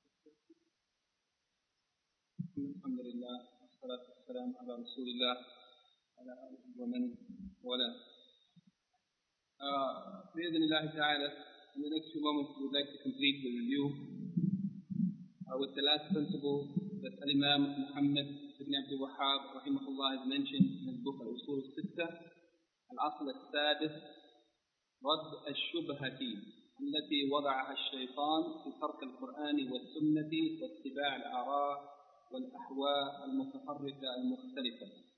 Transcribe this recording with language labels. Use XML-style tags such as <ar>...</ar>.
<ar>الحمد لله والصلاة والسلام على رسول الله وعلى آله ومن والاه. بإذن الله تعالى,</ar> <en>in the next few moments we would like to complete the review with the last principle that Al-Imam Muhammad ibn Abdul Wahhab رحمه الله has mentioned in his book Al-Usul al-Sittah.</en> <ar>Al-Asl al-Sadis, رد الشبهة التي وضعها الشيطان في ترك القرآن والسنة واتباع الآراء والأحواء المتحركة المختلفة.</ar>